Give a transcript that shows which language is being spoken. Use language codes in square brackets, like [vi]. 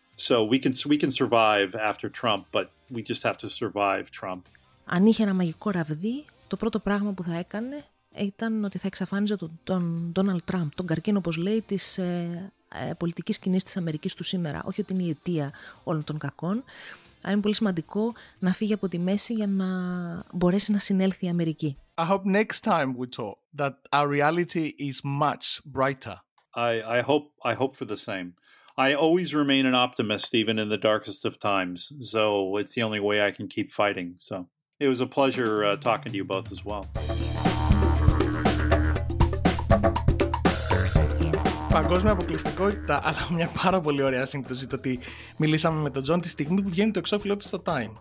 [en] So we can survive after Trump, but we just have to survive Trump. [el] Αν είχε ένα μαγικό ραβδί, το πρώτο πράγμα που θα έκανε ήταν ότι θα εξαφάνιζε τον Donald Trump, τον καρκίνο, όπως λέει, της πολιτικής κοινής της Αμερικής του σήμερα. Όχι ότι είναι η αιτία όλων των κακών, αλλά είναι πολύ σημαντικό να φύγει από τη μέση για να μπορέσει να συνέλθει η Αμερική. [en] I hope next time we talk that our reality is much brighter. I hope for the same. I always remain an optimist, even in the darkest of times. So it's the only way I can keep fighting. So it was a pleasure talking to you both as well. [el] Παγκόσμια αποκλειστικότητα, αλλά μια πάρα πολύ ωραία σύμπτωση το ότι μιλήσαμε με τον Τζον τη στιγμή που βγαίνει το εξώφυλλο του στο Time.